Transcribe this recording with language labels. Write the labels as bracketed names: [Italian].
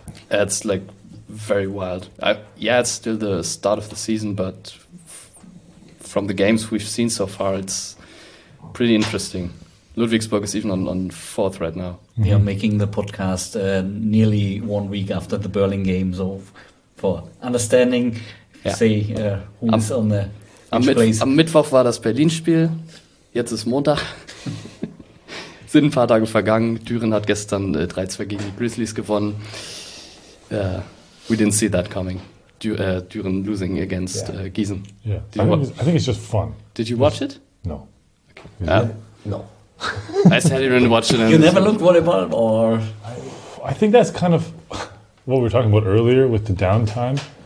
[English] It's like very wild. It's still the start of the season, but from the games we've seen so far, it's pretty interesting. Ludwigsburg is even on fourth right now. Mm-hmm. We are making the podcast nearly 1 week after the Berlin games. So for understanding, who's on the place. [German] Am Mittwoch war das Berlin-Spiel, jetzt ist Montag. Sind ein paar Tage vergangen. Düren hat gestern 3-2 gegen die Grizzlies gewonnen. [English] We didn't see that coming. Düren losing against Gießen. Yeah. I think it's just fun. Did you watch it? No. Okay. No. I said you didn't watch it. You never looked volleyball, or I think that's kind of what we were talking about earlier with the downtime.